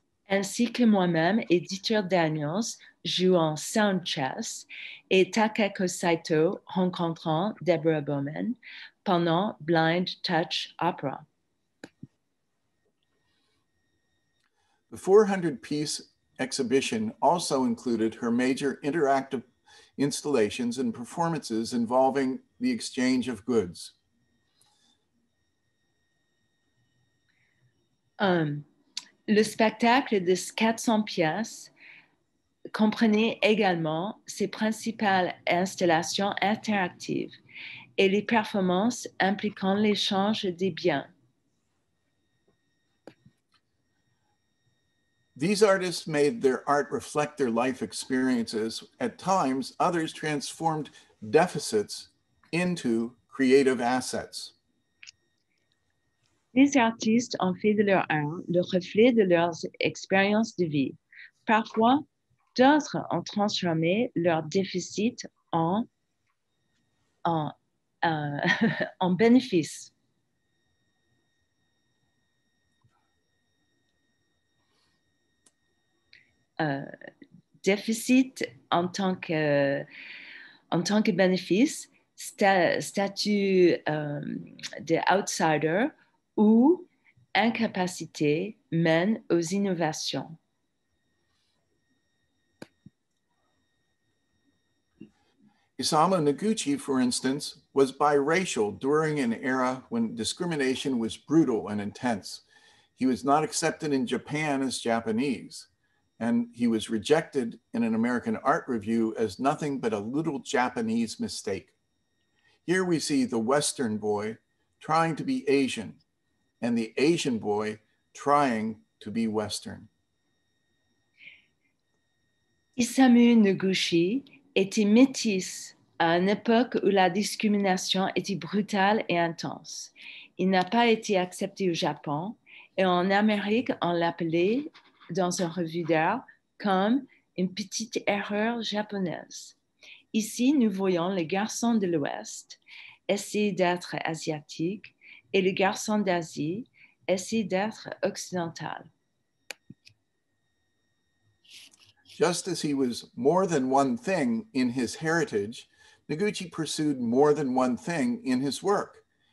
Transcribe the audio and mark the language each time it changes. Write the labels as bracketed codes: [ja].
[fr] Ainsi que moi-même et Dieter Daniels jouant sound chess et Takako Saito rencontrant Deborah Bowman pendant blind touch opera. [en] The 400-piece exhibition also included her major interactive installations and performances involving the exchange of goods. [fr] Le spectacle de 400 pièces comprenait également ses principales installations interactives et les performances impliquant l'échange des biens. [en] These artists made their art reflect their life experiences. At times, others transformed deficits into creative assets. These artists [fr] ont fait de leur art le reflet de leurs expériences de vie. Parfois, d'autres ont transformé leurs déficits en bénéfices. Déficit en tant que bénéfice, statut d'outsider ou incapacité mène aux innovations. [en] Isamu Noguchi, for instance, was biracial during an era when discrimination was brutal and intense. He was not accepted in Japan as Japanese, and he was rejected in an American art review as nothing but a little Japanese mistake. Here we see the Western boy trying to be Asian and the Asian boy trying to be Western. [fr] Isamu Noguchi était métisse à une époque où la discrimination était brutale et intense. Il n'a pas été accepté au Japon et en Amérique, on l'appelait dans une revue d'art comme une petite erreur japonaise. Ici, nous voyons les garçons de l'Ouest essayer d'être asiatiques et les garçons d'Asie essayer d'être occidentaux. [en] Just as he was more than one thing in his heritage, Noguchi pursued more than one thing in his work.